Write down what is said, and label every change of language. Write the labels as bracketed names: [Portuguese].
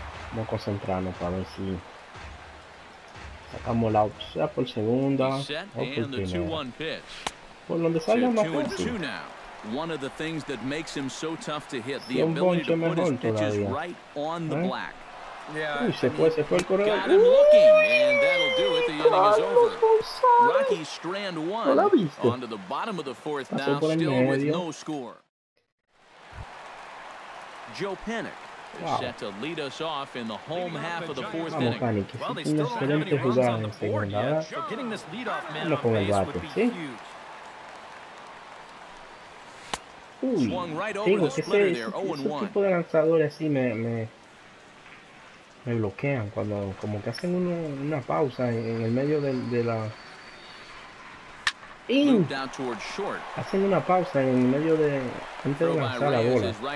[Spanish] Vamos a concentrarnos para ver si sacamos la opción por segunda o por primera. Por donde salga más fuerte. [English] One of the things that makes him so tough to hit, the ability to put his pitches right on the black. [Spanish] Yeah. Uy, se fue el corredor. [English] Got him looking, and that'll do it. The inning is over. Rocky strand one. Onto the bottom of the fourth now, still with no score. Joe Panic. Set to lead us off in the home half of the fourth inning. Well, they still don't have any runs on the board yet, so getting this leadoff man on base would be huge. [Spanish] Uy, tengo que ser ese tipo de lanzadores así me bloquean cuando como que hacen una pausa en el medio de la hacen una pausa en el medio de antes de lanzar la bola.